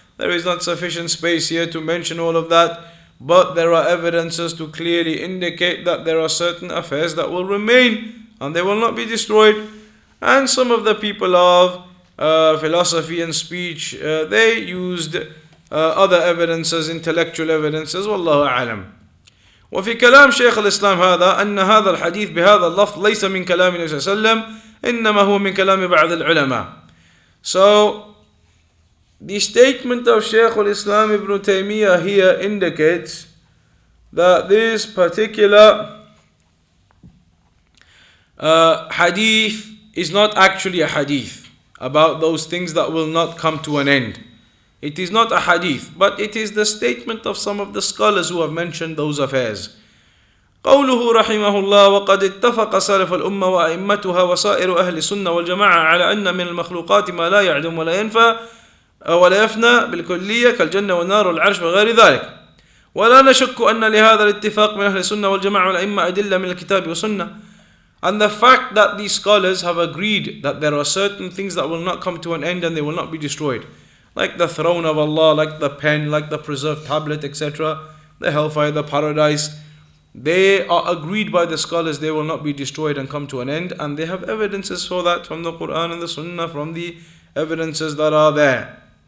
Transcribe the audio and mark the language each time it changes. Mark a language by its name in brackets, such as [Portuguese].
[English] There is not sufficient space here to mention all of that. But there are evidences to clearly indicate that there are certain affairs that will remain and they will not be destroyed. And some of the people of philosophy and speech, they used other evidences, intellectual evidences. Wallahu a'lam. [Arabic] وفي كلام شيخ الإسلام هذا أن هذا الحديث بهذا اللفظ ليس من كلام النبي صلى الله عليه وسلم إنما هو من كلام بعض العلماء. [English] So the statement of Shaykh al-Islam ibn Taymiyyah here indicates that this particular hadith is not actually a hadith about those things that will not come to an end. It is not a hadith, but it is the statement of some of the scholars who have mentioned those affairs. [Arabic] قوله رحمه الله وقد اتفق سلف الأمة وأئمتها وسائر أهل السنة والجماعة على أن من المخلوقات ما لا يعدم ولا ينفى ولا يفنى بالكلية كالجنة والنار والعرش وغير ذلك. ولا نشك أن لهذا الاتفاق من أهل السنة والجماعة والأئمة أدلة من الكتاب والسنة. [English] And the fact that these scholars have agreed that there are certain things that will not come to an end and they will not be destroyed, like the throne of Allah, like the pen, like the preserved tablet, etc., the hellfire, the paradise, they are agreed by the scholars they will not be destroyed and come to an end, and they have evidences for that from the Quran and the Sunnah, from the evidences that are there.